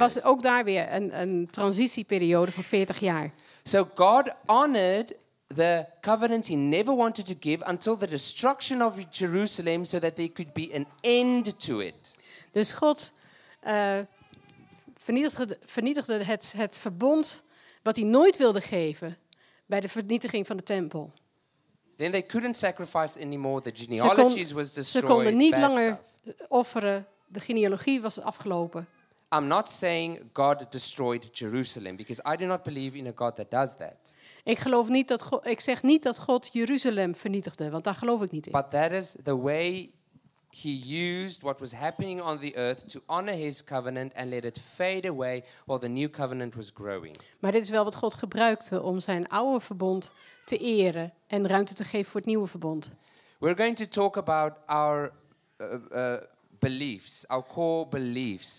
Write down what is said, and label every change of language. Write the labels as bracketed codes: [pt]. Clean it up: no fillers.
[nl] Er was ook daar weer een transitieperiode van 40 jaar. [en] So God honored the covenant he never wanted to give until the destruction of Jerusalem, so that there could be an end to it. [nl] Dus God vernietigde het verbond wat hij nooit wilde geven bij de vernietiging van de tempel. [en] Then they couldn't sacrifice anymore. The genealogies was destroyed. [nl] Ze konden niet langer offeren. De genealogie was afgelopen. [en] I'm not saying God destroyed Jerusalem because I do not believe in a God that does that. [nl] Ik zeg niet dat God Jeruzalem vernietigde, want daar geloof ik niet in. [en] But that is the way he used what was happening on the earth to honor his covenant and let it fade away while the new covenant was growing. [nl] Maar dit is wel wat God gebruikte om zijn oude verbond te eren en ruimte te geven voor het nieuwe verbond. [en] We're going to talk about our beliefs, our core beliefs.